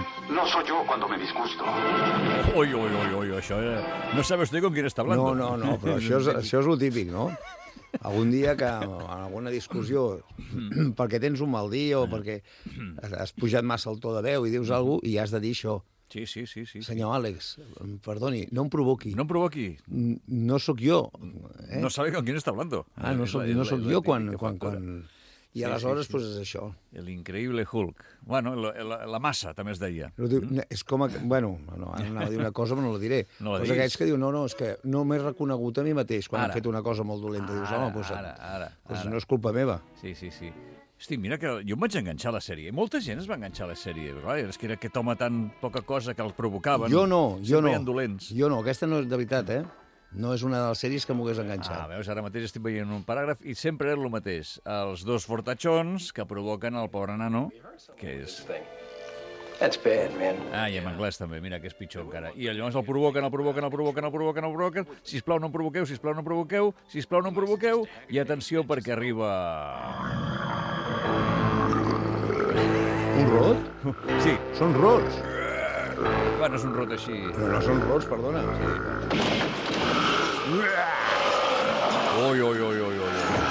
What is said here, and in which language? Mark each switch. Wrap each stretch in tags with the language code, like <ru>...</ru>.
<es>No soy yo cuando me disgusto.</es> <ca>Oi, això...</ca> <es>No sabes con quién está hablando.</es> <ca>No, però això és lo típic, no? Algun dia que en alguna discussió perquè tens un mal dia o perquè has pujat massa el to de veu i dius alguna cosa i has de dir això. Sí. Senyor Àlex, perdoni, no em provoqui. No em provoqui. No sóc jo.</ca> <es>No sabe con quién está hablando.</es> <ca>Ah, no sóc jo quan... I aleshores, doncs, és això. L'increïble Hulk. Bueno, la massa, també es deia. És com... Bueno, anava a dir una cosa, però no la diré. No la diré. Aquells que diu, no, és que no m'he reconegut a mi mateix quan he fet una cosa molt dolenta. Dius, home, doncs no és culpa meva. Sí. Hosti, mira que jo em vaig enganxar a la sèrie. Molta gent es va enganxar a la sèrie. És que era que toma tan poca cosa que els provocaven. Jo no. Dolents. Jo no, aquesta no és de veritat, eh? No és una de les sèries que m'hagués enganxat. Ah, veus, ara mateix estic veient un paràgraf i sempre és el mateix. Els dos fortachons que provoquen el pobre nano, que és...</ca> <en>That's bad, man.</en> <ca>Ah, i en anglès també, mira, que és pitjor encara. I llavors el provoquen, el provoquen, el provoquen, el provoquen, el provoquen. Sisplau, no em provoqueu, sisplau, no em provoqueu, sisplau, no em provoqueu. I atenció, perquè arriba... Un rot? Sí. Són rots. Bueno, és un rot així. Però no són rots, perdona. Sí. Ui, ui, ui, ui, ui.</ca>